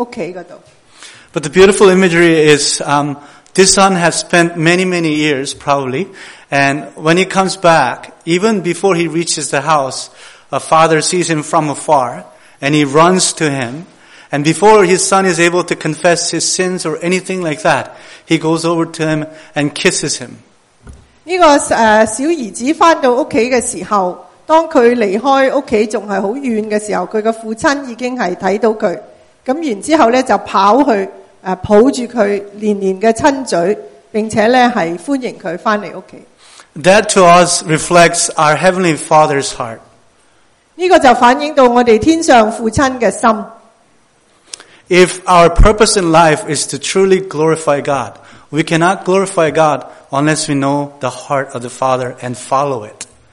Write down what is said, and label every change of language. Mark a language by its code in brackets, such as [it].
[en] But the beautiful imagery is, this son has spent many, many years, probably, and when he comes back, even before he reaches the house, a father sees him from afar, and he runs to him. And before his son is able to confess his sins or anything like that, he goes over to him and kisses him. [zh] 這個小兒子回到家的時候，當他離開家還很遠的時候，他的父親已經看到他，然後就跑去抱住他，連連親嘴，並且歡迎他回家。 [en] That to us reflects our Heavenly Father's heart. [zh] 這個就反映到我們天上父親的心。 [en] If our purpose in life is to truly glorify God, we cannot glorify God unless we know the heart of the Father and follow it.